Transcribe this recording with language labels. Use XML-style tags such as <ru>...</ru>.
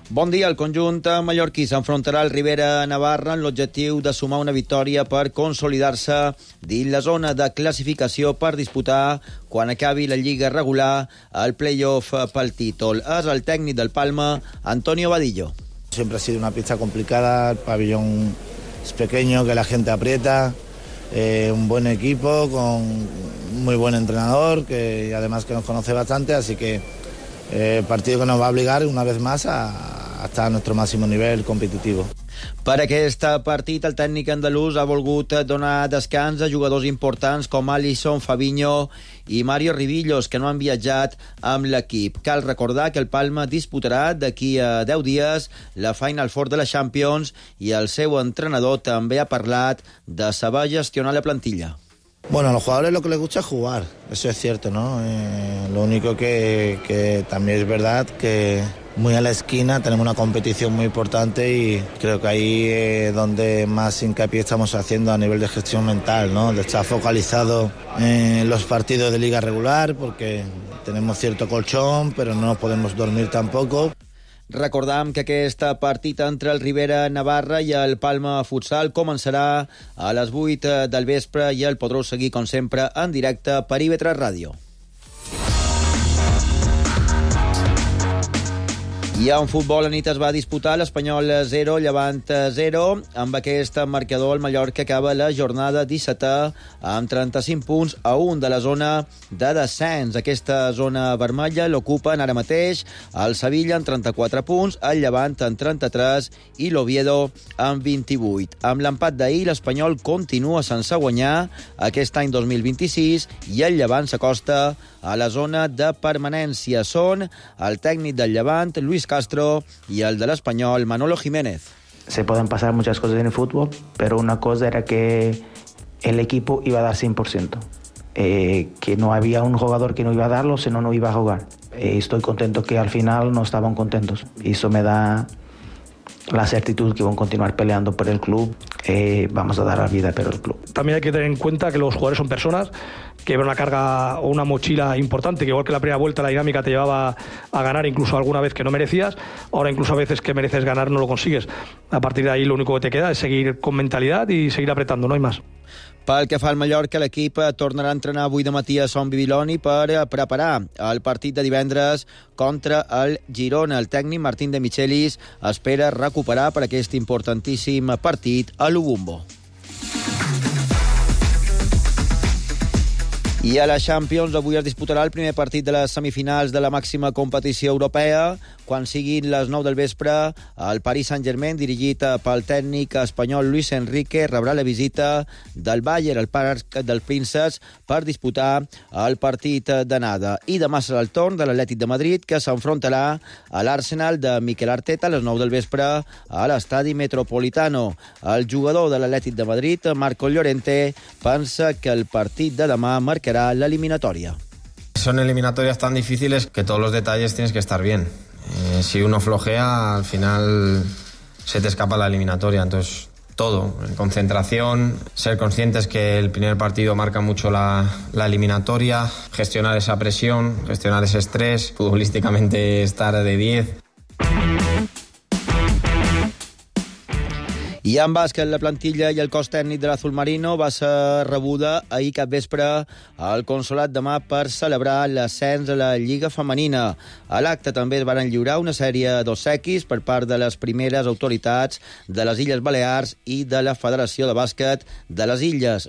<ca>Bon dia. El conjunt mallorquí s'enfrontarà al Ribera Navarra amb l'objectiu de sumar una victòria per consolidar-se dins la zona de classificació per disputar, quan acabi la lliga regular, el play-off pel títol. És el tècnic del Palma, Antonio Vadillo.</ca> <es>Sempre ha sido una pista complicada, el pabellón es pequeño, que la gente aprieta. Un buen equipo con muy buen entrenador que además que nos conoce bastante, así que partido que nos va a obligar una vez más a estar a nuestro máximo nivel competitivo.</es> <ca>Per aquest partit, el tècnic andalús ha volgut donar descans a jugadors importants com Alisson, Fabinho i Mario Rivillos, que no han viatjat amb l'equip. Cal recordar que el Palma disputarà d'aquí a 10 dies la Final Four de la Champions i el seu entrenador també ha parlat de saber gestionar la plantilla. Bueno, a los jugadores lo que les gusta es jugar, eso es cierto, ¿no? Lo único que también es verdad que muy a la esquina tenemos una competición muy importante y creo que ahí es donde más hincapié estamos haciendo a nivel de gestión mental, ¿no? De estar focalizado en los partidos de liga regular porque tenemos cierto colchón, pero no nos podemos dormir tampoco. Recordam que aquesta partida entre el Ribera Navarra i el Palma Futsal començarà a les 8 del vespre i el podreu seguir, com sempre, en directe per IB3 Ràdio. I en futbol, la nit es va disputar l'Espanyol 0, Llevant 0. Amb aquest marcador, el Mallorca acaba la jornada 17a amb 35 punts a 1 de la zona de descens. Aquesta zona vermella l'ocupen ara mateix el Sevilla amb 34 punts, el Llevant amb 33 i l'Oviedo amb 28. Amb l'empat d'ahir, l'Espanyol continua sense guanyar aquest any 2026 i el Llevant s'acosta a la zona de permanència. Són el tècnic del Llevant, Luis Castro, i el de l'Espanyol, Manolo Jiménez.</ca> <es>Se pueden pasar muchas cosas en el fútbol, pero una cosa era que el equipo iba a dar 100%. Que no había un jugador que no iba a darlo, sino no iba a jugar. Estoy contento que al final no estaban contentos. Eso me da la certidumbre que van a continuar peleando por el club. Vamos a dar la vida por el club. También hay que tener en cuenta que los jugadores son personas que llevan una carga o una mochila importante, que igual que la primera vuelta la dinámica te llevaba a ganar incluso alguna vez que no merecías, ahora incluso a veces que mereces ganar no lo consigues. A partir de ahí lo único que te queda es seguir con mentalidad y seguir apretando, no hay más.</es> <ca>Pel que fa al Mallorca, l'equip tornarà a entrenar avui de matí a Son Bibiloni per preparar el partit de divendres contra el Girona. El tècnic Martín de Michelis espera recuperar per aquest importantíssim partit a l'Ubumbo. I a la Champions, avui es disputarà el primer partit de les semifinals de la màxima competició europea, quan siguin les 9 del vespre, el Paris Saint-Germain, dirigit pel tècnic espanyol Luis Enrique, rebrà la visita del Bayern al Parc del Princes per disputar el partit d'anada. I demà serà el torn de l'Atlètic de Madrid, que s'enfrontarà a l'Arsenal de Mikel Arteta a les 9 del vespre a l'Estadi Metropolitano. El jugador de l'Atlètic de Madrid, Marco Llorente, pensa que el partit de demà marcarà l'eliminatòria.</ca> <es>Son eliminatorias tan difíciles que todos los detalles tienes que estar bien. Si uno flojea, al final se te escapa la eliminatoria. Entonces, todo, concentración, ser conscientes que el primer partido marca mucho la eliminatoria, gestionar esa presión, gestionar ese estrés, futbolísticamente estar de 10.</es> <ca>I en bàsquet, la plantilla i el cos tècnic de l'Azul Marino va ser rebuda ahir cap vespre al Consolat de Mar per celebrar l'ascens a la Lliga Femenina. A l'acte també es van lliurar una sèrie d'obsequis per part de les primeres autoritats de les Illes Balears i de la Federació de Bàsquet de les Illes.</ca>